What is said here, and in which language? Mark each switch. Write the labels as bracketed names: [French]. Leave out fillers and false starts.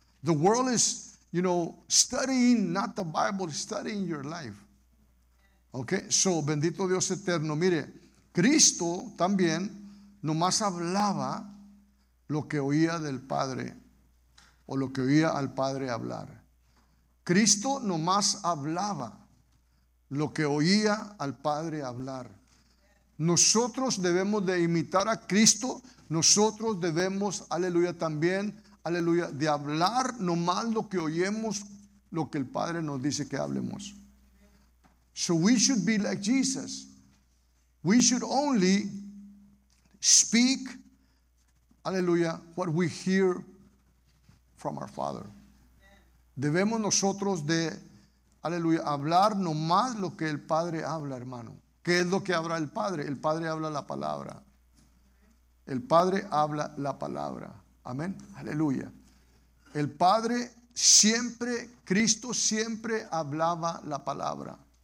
[English] The world is, you know, studying not the Bible, studying your life. Ok, so [Spanish] bendito Dios eterno. Mire, Cristo también nomás hablaba lo que oía del Padre o lo que oía al Padre hablar. Cristo nomás hablaba lo que oía al Padre hablar. Nosotros debemos de imitar a Cristo. Nosotros debemos, aleluya, también, aleluya, de hablar nomás lo que oyemos lo que el Padre nos dice que hablemos. [English] So we should be like Jesus. We should only speak, hallelujah, what we hear from our Father. [Spanish] Debemos nosotros de, hallelujah, hablar nomás lo que el Padre habla, hermano. ¿Qué es lo que habla el Padre? El Padre habla la palabra. El Padre habla la palabra. Amén. Aleluya. El Padre siempre, Cristo siempre hablaba la palabra.